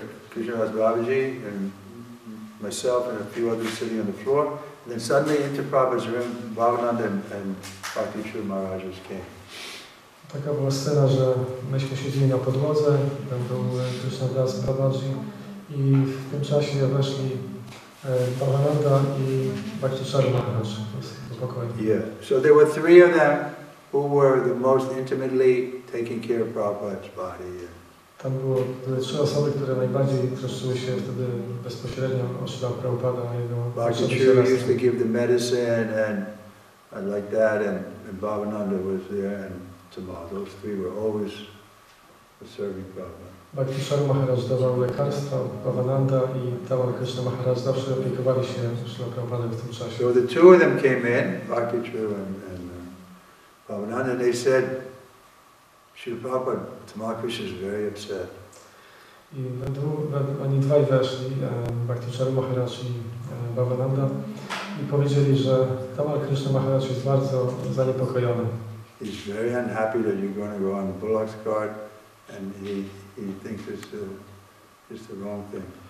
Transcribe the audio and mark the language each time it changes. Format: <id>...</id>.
<en>Krishnadas Babaji and myself and a few others sitting on the floor. And then suddenly into Prabhupada's room, Bhavananda and Bhakti Shri Maharaj came.</en> <pl>Taka była scena, że myśmy siedzieli na podłodze, tam był Krishnadas Babaji i w tym czasie weszli Bhavananda i Bhakti Shri Maharaj.</pl> <en>Yeah. So there were three of them who were the most intimately taking care of Prabhupada's body.</en> <pl>Tam były trzy osoby, które najbardziej troszczyły się wtedy bezpośrednio o Śrila Prabhupada.</pl> <en>Bhakti Shri used to give the medicine and like that, and Bhavananda was there and Tamar. Those three were always serving Prabhupada.</en> <pl>Bhakti Shri Maharaj dawał lekarstwa, Bhavananda i Tamar Krishna Maharaj zawsze opiekowali się Śrila Prabhupada w tym czasie.</pl> <en>So the two of them came in, Bhakti Shri and Bhavananda, and they said, Śrila Prabhupada, Tamar Krishna is very upset.</en> <pl>I oni dwaj weszli, Bhakti Shri Maharaj i Bhavananda, i powiedzieli, że Tamar Krishna Maharaj jest bardzo zaniepokojony.</pl> <en>He's very unhappy that you're going to go on the bullock's cart, and he thinks it's the wrong thing.</en>